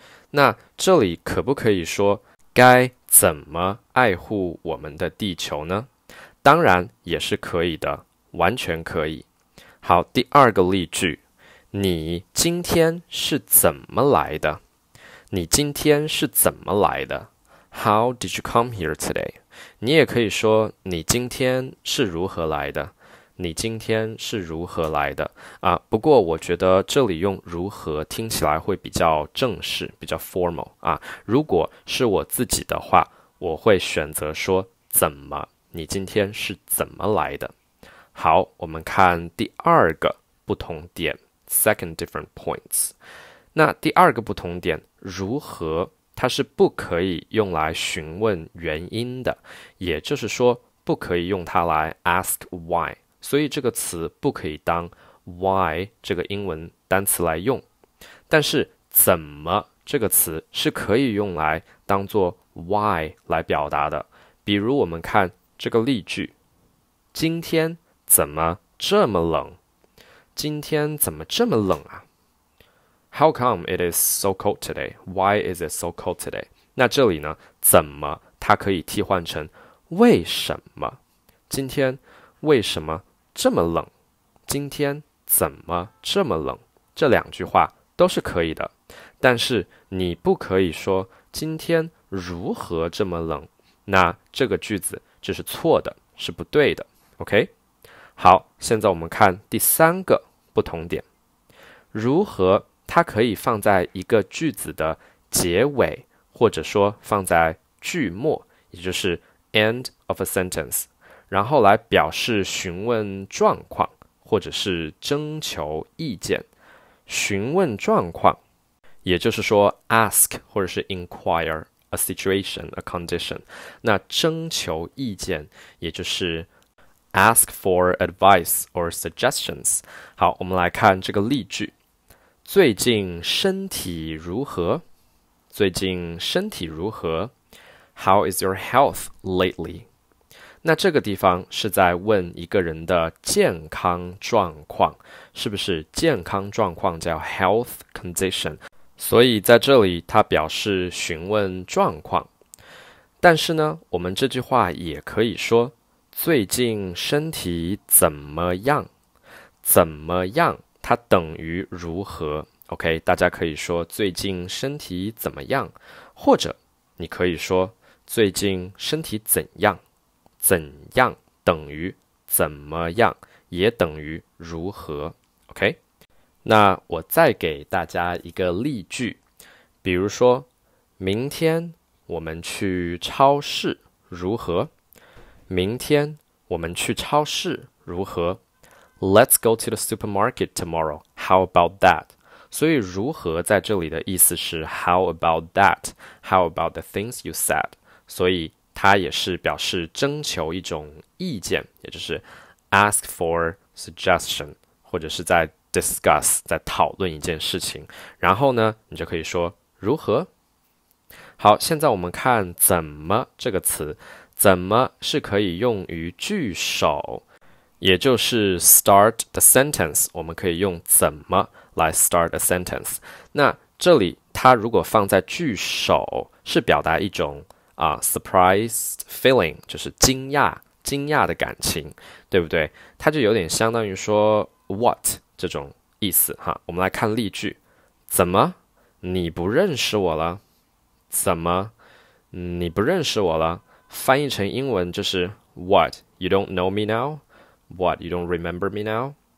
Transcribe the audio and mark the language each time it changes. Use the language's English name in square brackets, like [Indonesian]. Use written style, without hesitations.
[Chinese] 那这里可不可以说该怎么爱护我们的地球呢？当然也是可以的，完全可以。好，第二个例句，你今天是怎么来的？你今天是怎么来的？ [English] How did you come here today？ [Chinese] 你也可以说你今天是如何来的，你今天是如何来的啊？不过我觉得这里用如何听起来会比较正式，比较 formal 啊。如果是我自己的话，我会选择说怎么，你今天是怎么来的。好，我们看第二个不同点， [English] second different points。 [Chinese] 那第二个不同点，如何它是不可以用来询问原因的，也就是说不可以用它来 [English] ask why， [Chinese] 所以这个词不可以当 why 这个英文单词来用。但是怎么这个词是可以用来当做 why 来表达的。比如我们看这个例句，今天怎么这么冷，今天怎么这么冷啊？ [English] How come it is so cold today? Why is it so cold today? [Chinese] 那这里呢，怎么它可以替换成为什么，今天为什么这么冷，今天怎么这么冷，这两句话都是可以的。但是你不可以说今天如何这么冷，那这个句子就是错的，是不对的。 OK， 好，现在我们看第三个不同点，如何它可以放在一个句子的结尾，或者说放在句末，也就是 [English] end of a sentence， [Chinese] 然后来表示询问状况，或者是征求意见。询问状况，也就是说 [English] ask [Chinese] 或者是 [English] inquire a situation, a condition。 [Chinese] 那征求意见，也就是 [English] ask for advice or suggestions。 [Chinese] 好，我们来看这个例句。最近身体如何？最近身体如何？ [English] How is your health lately? [Chinese] 那这个地方是在问一个人的健康状况，是不是？健康状况叫 [English] health condition， [Chinese] 所以在这里它表示询问状况。但是呢，我们这句话也可以说最近身体怎么样？怎么样？它等于如何 ？OK， 大家可以说最近身体怎么样，或者你可以说最近身体怎样？怎样等于怎么样，也等于如何 ？OK， 那我再给大家一个例句，比如说明天我们去超市如何？明天我们去超市如何？ [English] Let's go to the supermarket tomorrow. How about that? [Chinese] 所以如何在这里的意思是 [English] How about that? How about the things you said? [Chinese] 所以它也是表示征求一种意见，也就是 [English] ask for suggestion， [Chinese] 或者是在 [English] discuss， [Chinese] 在讨论一件事情。然后呢，你就可以说如何？好，现在我们看怎么这个词，怎么是可以用于句首，也就是 [English] start the sentence， [Chinese] 我们可以用怎么来 [English] start a sentence。 [Chinese] 那这里它如果放在句首，是表达一种 [English] surprised feeling， [Chinese] 就是惊讶，惊讶的感情，对不对？它就有点相当于说 what 这种意思哈。我们来看例句，怎么你不认识我了？怎么你不认识我了？翻译成英文就是 [English] what you don't know me now? What, you don't remember me now?